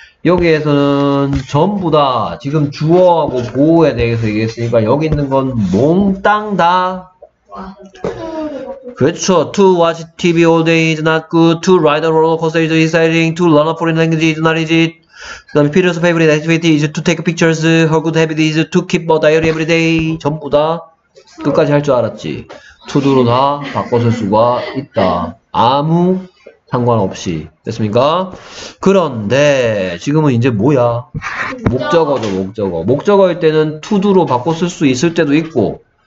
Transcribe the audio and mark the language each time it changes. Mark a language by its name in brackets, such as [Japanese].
[Korean] 여기에서는 전부 다 지금 주어하고 보어에 대해서 얘기했으니까 여기 있는 건 몽땅 다. 그렇죠. [English] To watch TV all day is not good. To ride a roller coaster is exciting. To learn a foreign language is not easy. Peter's favorite activity is to take pictures. Her good habit is to keep a diary every day. [Korean] 전부 다 끝까지 할 줄 알았지. To do로 다 바꿔쓸 수가 있다. 아무 상관없이. 됐습니까? 그런데 지금은 이제 뭐야? 목적어죠, 목적어. 목적어일 때는 to do로 바꿔쓸 수 있을 때도 있고.